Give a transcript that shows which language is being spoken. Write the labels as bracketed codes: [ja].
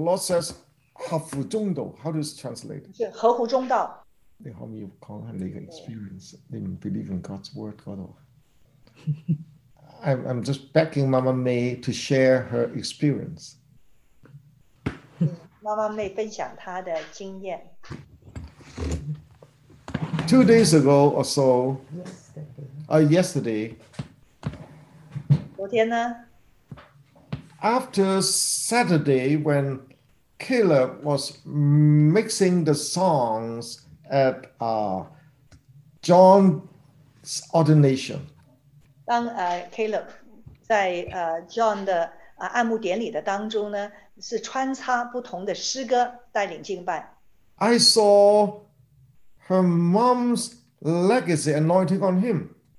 [en] Lord says, [zh] 合乎中道, [en] how does it translate? [zh] 是合乎中道。 [en] They help me with like experience. They believe in God's word, God. I'm just begging Mama May to share her experience. [zh] 妈妈妹分享她的经验。 [en] Two days ago or so, yesterday. [zh] 昨天呢? [en] After Saturday, when Caleb was mixing the songs at John's ordination. [zh] 当 Caleb 在 John 的 按牧典礼的当中呢。是穿插不同的诗歌带领敬拜。 [en] I saw her mom's legacy anointing on him.